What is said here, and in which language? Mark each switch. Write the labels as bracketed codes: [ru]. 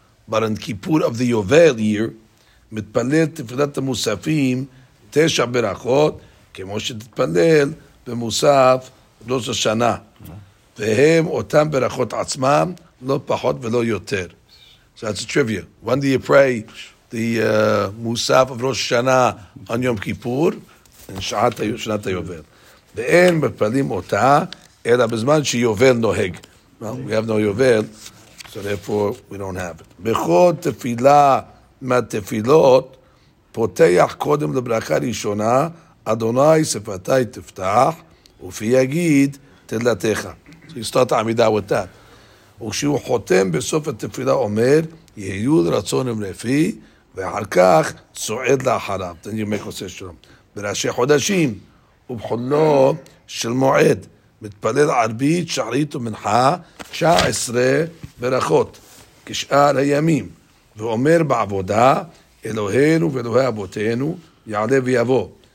[en] But in Kippur of the Yovel year, [he] מתפלל תפילת המוספים תשע ברכות, כמו שתתפלל במוסף לראש השנה. והם אותם ברכות עצמם, לא פחות ולא יותר. [en] So that's a trivia. When do you pray the מוסף of ראש השנה on Yom Kippur? [he] In שנת היובל. ואין מתפלים אותה, אלא בזמן שיובל נוהג. [en] Well, we have no yovel, so therefore we don't have it. [he] בכל תפילה מהתפילות, פותח קודם לברכה ראשונה, אדוני שפתי תפתח, ופי יגיד תלתך. [en] So you start the עמידה with that. [he] וכשהוא חותם בסוף התפילה אומר, יהיו לרצון המרפי, ואחר כך צועד לאחריו. [en] Then you make a session. [he] בראשי חודשים, ובחולו של מועד. מתפלל ערבית, שחרית ומנחה, 19 ברכות, כשאר הימים, ואומר בעבודה, אלוהינו ואלוהי אבותינו, יעלה ויבוא.